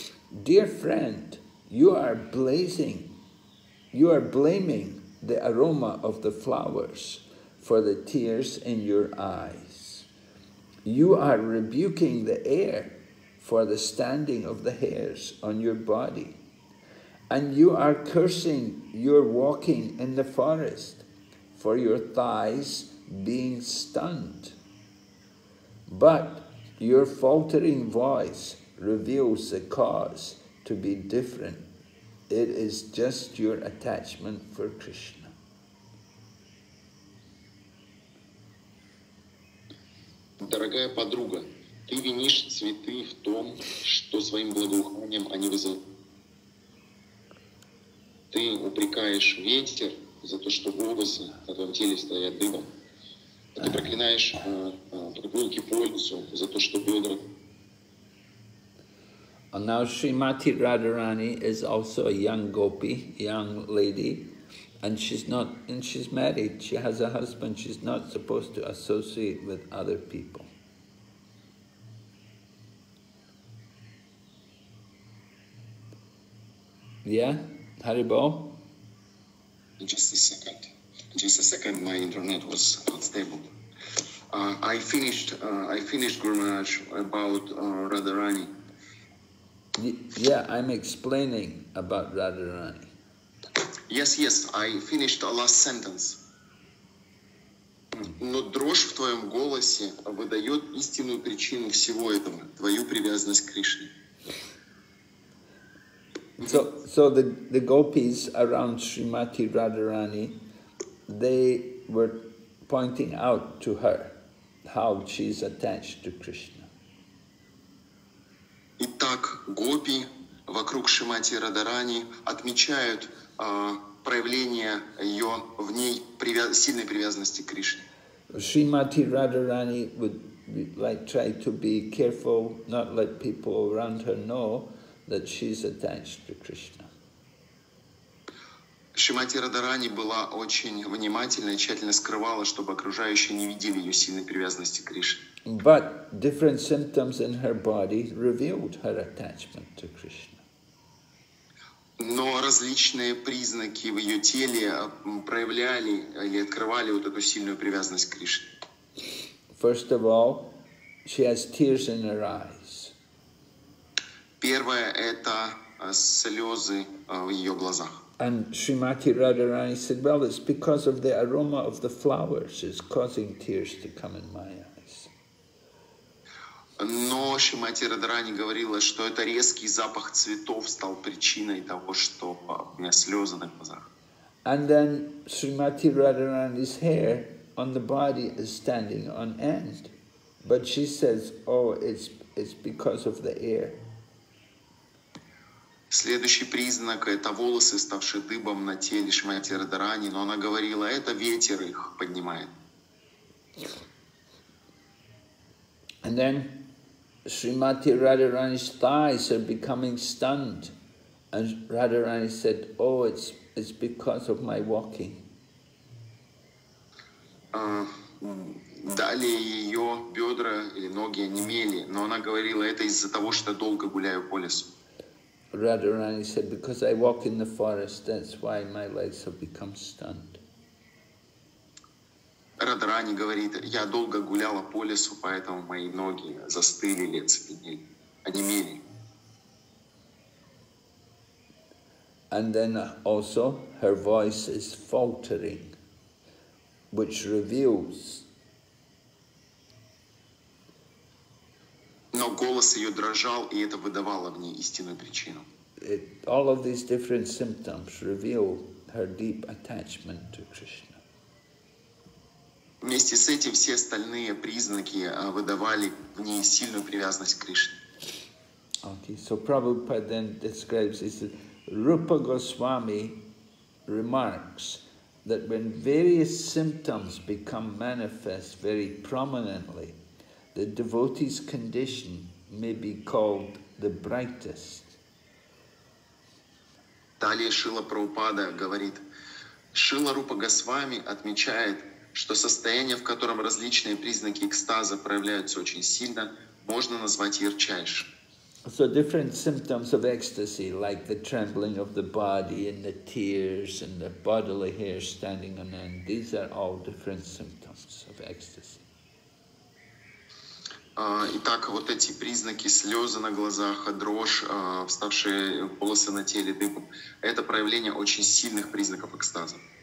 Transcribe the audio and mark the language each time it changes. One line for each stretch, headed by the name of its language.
English: Dear friend, you are blaming the aroma of the flowers for the tears in your eyes. You are rebuking the air for the standing of the hairs on your body. And you are cursing your walking in the forest for your thighs being stunned. But your faltering voice reveals the cause to be different. It is just your attachment for Krishna.
Russian: Дорогая подруга, ты винишь цветы в том, что своим благоуханием они вызывают. Ты упрекаешь ветер за то, что волосы на твоем теле стоят дыбом. Ты проклинаешь прогулки по лесу за то, что бедра.
English: And now Srimati Radharani is also a young gopi, young lady, and she's married, she has a husband, she's not supposed to associate with other people. Yeah, Haribo? Just a second, my internet was unstable. I finished Guru Maharaj about Radharani. Yeah, I'm explaining about Radharani. Yes, I finished the last sentence.
Russian: Но дрожь в твоем голосе выдает истинную причину всего этого, твою привязанность к Кришне.
English: So the gopis around Srimati Radharani, they were pointing out to her how she's attached to Krishna.
Russian: Итак, гопи вокруг Шримати Радарани отмечают проявление ее в ней сильной привязанности к Кришне.
English: Srimati Radharani would try to be careful, not let people around her know that she's attached to Krishna.
Russian: Шримати Радарани была очень внимательна и тщательно скрывала, чтобы окружающие не видели ее сильной привязанности к Кришне.
English: But different symptoms in her body revealed her attachment to Krishna.
Russian: Но различные признаки в ее теле проявляли или открывали вот эту сильную привязанность к Кришне.
English: First of all, she has tears in her eyes.
Russian: Первое – это слезы в ее глазах.
English: And Srimati Radharani said, well, it's because of the aroma of the flowers is causing tears to come in my eyes.
Russian: Но Srimati Radharani говорила, что это резкий запах цветов стал причиной того, что у меня слезы на глазах.
English: And then Srimati Radharani's hair on the body is standing on end. But she says, oh, it's because of the air.
Russian: Следующий признак – это волосы, ставшие дыбом на теле Шмати Радарани, но она говорила, это ветер их поднимает.
English: And then Shrimati Radharani's thighs are becoming stunned, and Radharani said, "Oh, it's because of my walking."
Russian: Далее ее бедра или ноги онемели, но она говорила, это из-за того, что долго гуляю по лесу.
English: Radharani said, "Because I walk in the forest, that's why my legs have become stunned."
Russian: Радарани говорит, я долго гуляла по лесу, поэтому мои ноги застыли или оцепенели, онемели.
English: And then also her voice is faltering, which reveals.
Russian: Но голос ее дрожал, и это выдавало в ней истинную причину.
English: All of these different symptoms reveal her deep attachment to Krishna.
Russian: Вместе с этим все остальные признаки выдавали в ней сильную привязанность к Кришне.
English: Okay, so Prabhupada then describes, he said, Rupa Goswami remarks that when various symptoms become manifest very prominently, the devotee's condition may be called the brightest.
Russian: Далее Шрила Прабхупада говорит, Шрила Рупа Госвами отмечает, что состояние, в котором различные признаки экстаза проявляются очень сильно, можно назвать ярчайшим.
English: So different symptoms of ecstasy, like the trembling of the body and the tears and the bodily hair standing on end, these are all different symptoms of ecstasy.
Russian: Итак, вот эти признаки, слезы на глазах, дрожь, вставшие волосы на теле дыбом, это проявление очень сильных признаков экстаза.